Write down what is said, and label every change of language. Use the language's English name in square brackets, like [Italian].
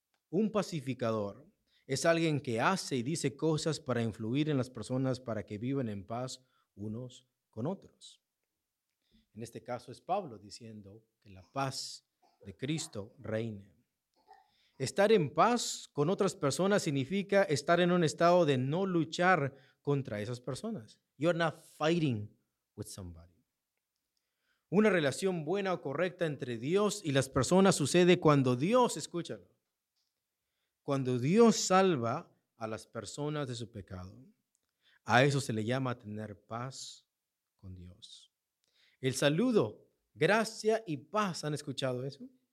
[Spanish] Un pacificador es alguien que hace y dice cosas para influir en las personas para que vivan en paz unos con otros. En este caso es Pablo diciendo que la paz de Cristo reine. Estar en paz con otras personas significa estar en un estado de no luchar contra esas personas. [English] You're not fighting with somebody. [Spanish] Una relación buena o correcta entre Dios y las personas sucede cuando Dios, escúchalo, cuando Dios salva a las personas de su pecado. A eso se le llama tener paz con Dios. El saludo, gracia y paz, ¿han escuchado eso?